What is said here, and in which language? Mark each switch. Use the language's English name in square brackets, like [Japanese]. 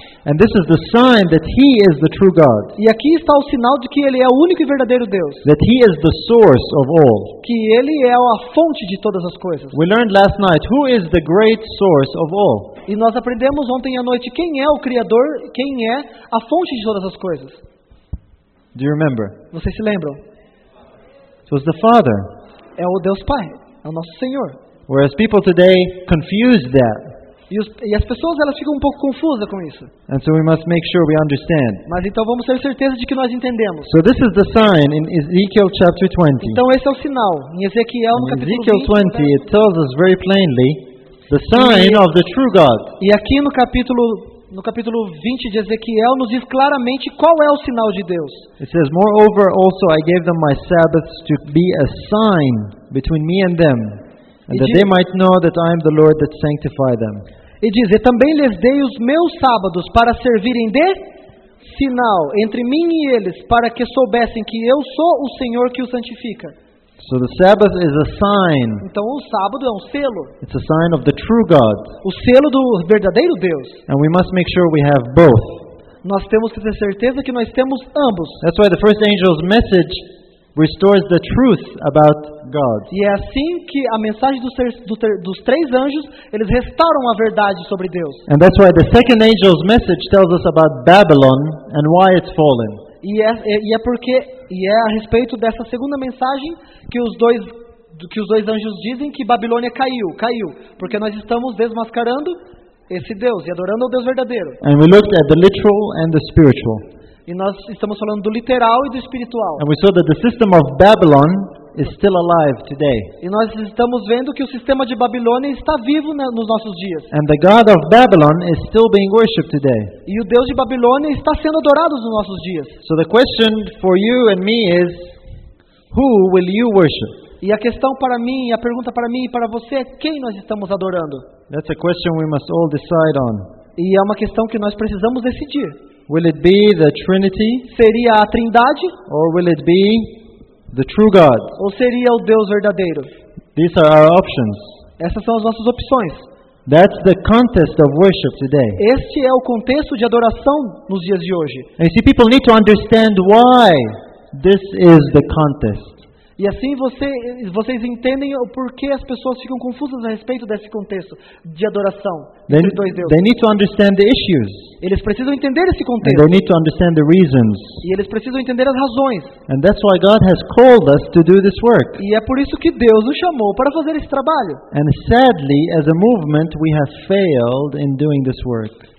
[English] And this is the sign that he is the true God. [Portuguese] E aqui está o sinal de que ele é o único e verdadeiro Deus. [English] That he is the source of all. [Portuguese] Que ele é a fonte de todas as coisas. [English] We learned last night who is the great source of all. [Portuguese] E nós aprendemos ontem à noite quem é o criador, quem é a fonte de todas as coisas. [English] Do you remember? [Portuguese] Vocês se lembram? [English] It was the Father. [Portuguese] É o Deus Pai, é o nosso Senhor. [English] Whereas people today confuse that. [Portuguese] E as pessoas elas ficam um pouco confusas com isso. [English] And so we must make sure we understand. [Portuguese] Mas então vamos ter certeza de que nós entendemos. [English] So this is the sign in Ezekiel chapter 20. [Portuguese] Então esse é o sinal em Ezequiel no capítulo 20. [English] Ezekiel 20, it tells us very plainly the sign of the true God. [Portuguese] E aqui no capítulo 20 de Ezequiel nos diz claramente qual é o sinal de Deus. [English] It says, moreover, also I gave them my sabbaths to be a sign between me and them. And that they might know that I am the Lord that sanctify them. [Portuguese] E diz, e também lhes dei os meus sábados para servirem de sinal entre mim e eles, para que soubessem que eu sou o Senhor que os santifica. [English] So the Sabbath is a sign. [Portuguese] Então o sábado é um selo. [English] It's a sign of the true God. [Portuguese] O selo do verdadeiro Deus. [English] And we must make sure we have both. [Portuguese] Nós temos que ter certeza que nós temos ambos. [English] That's why the first angel's message restores the truth about God. [Portuguese] E é assim que a mensagem dos três anjos, eles restauram a verdade sobre Deus. [English] And that's why the second angel's message tells us about Babylon and why it's fallen. [Portuguese] E é a respeito dessa segunda mensagem que os dois anjos dizem que Babilônia caiu, porque nós estamos desmascarando esse Deus e adorando o Deus verdadeiro. [English] And we looked at the literal and the spiritual. [Portuguese] E nós estamos falando do literal e do espiritual. [English] And we saw that the system of Babylon is still alive today. [Portuguese] E nós estamos vendo que o sistema de Babilônia está vivo nos nossos dias. [English] And the God of Babylon is still being worshipped today. [Portuguese] E o Deus de Babilônia está sendo adorado nos nossos dias. [English] So the question for you and me is, who will you worship? [Portuguese] E a questão para mim, a pergunta para mim e para você é quem nós estamos adorando? [English] That's a question we must all decide on. [Portuguese] E é uma questão que nós precisamos decidir. [English] Will it be the Trinity? [Portuguese] Seria a Trindade? [English] Or will it be the true God? [Portuguese] Ou seria o Deus verdadeiro? [English] These are our options. [Portuguese] Essas são as nossas opções. [English] That's the context of worship today. [Portuguese] Este é o contexto de adoração nos dias de hoje. [English] And see, people need to understand why this is the context. [Portuguese] E assim vocês entendem o porquê as pessoas ficam confusas a respeito desse contexto de adoração entre dois deuses. [English] They need to understand the issues. [Portuguese] Eles precisam entender esse contexto. [English] And they need to understand the reasons. [Portuguese] E eles precisam entender as razões. [English] And that's why God has called us to do this work. [Portuguese] E é por isso que Deus nos chamou para fazer esse trabalho. [English] And sadly, as a movement, we have failed in doing this work.